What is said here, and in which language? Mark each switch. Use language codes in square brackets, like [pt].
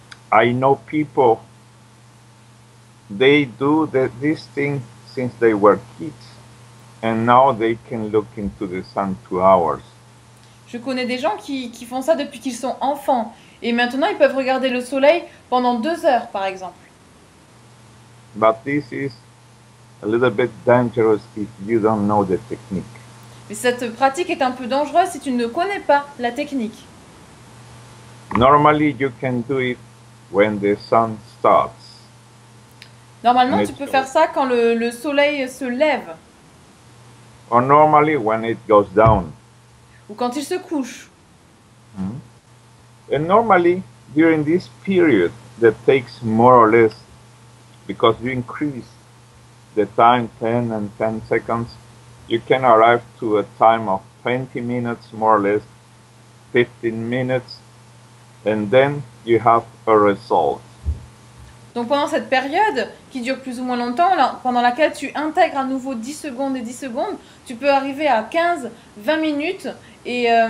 [en] I know people, they do this thing since they were kids, and now they can look into the sun 2 hours. [fr] Je connais des gens qui font ça depuis qu'ils sont enfants. Et maintenant, ils peuvent regarder le soleil pendant 2 heures, par exemple. [en] But this is a little bit dangerous if you don't know the technique. [fr] Mais cette pratique est un peu dangereuse si tu ne connais pas la technique. [en] Normally, you can do it when the sun starts. [fr] Normalement, tu peux faire ça quand le soleil se lève. [en] Or normally, when it goes down. [fr] Ou quand il se couche. [en] And normally, during this period, that takes more or less, because you increase the time 10 and 10 seconds, you can arrive to a time of 20 minutes, more or less, 15 minutes, and then you have a result. [fr] Donc pendant cette période, qui dure plus ou moins longtemps, pendant laquelle tu intègres à nouveau 10 secondes et 10 secondes, tu peux arriver à 15, 20 minutes, et...